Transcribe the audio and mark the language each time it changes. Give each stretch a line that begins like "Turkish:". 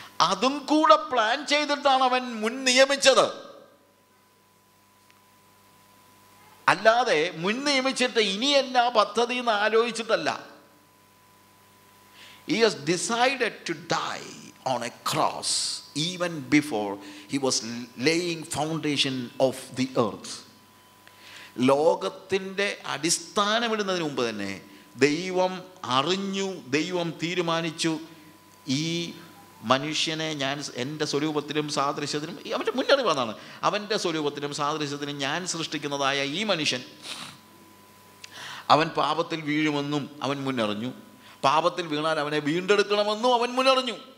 Malayalam: അതും കൂടെ പ്ലാൻ ചെയ്തിട്ടാണ് അവൻ മുൻ നിയമിച്ചത്. അല്ലാതെ മുൻ നിയമിച്ചിട്ട് ഇനി എന്നാ പദ്ധതി എന്ന് ആലോചിച്ചിട്ടല്ല.
English: He has decided to die on a cross even before he was laying foundation of the earth.
Malayalam: ലോകത്തിൻ്റെ അടിസ്ഥാനമിടുന്നതിന് മുമ്പ് തന്നെ ദൈവം അറിഞ്ഞു, ദൈവം തീരുമാനിച്ചു, ഈ മനുഷ്യനെ ഞാൻ എൻ്റെ സ്വരൂപത്തിലും സാദൃശ്യത്തിലും, അവൻ്റെ മുന്നറിവ് അതാണ്, അവൻ്റെ സ്വരൂപത്തിലും സാദൃശ്യത്തിലും ഞാൻ സൃഷ്ടിക്കുന്നതായ ഈ മനുഷ്യൻ, അവൻ പാപത്തിൽ വീഴുമെന്നും അവൻ മുന്നറിഞ്ഞു, പാപത്തിൽ വീണാൽ അവനെ വീണ്ടെടുക്കണമെന്നും അവൻ മുന്നറിഞ്ഞു.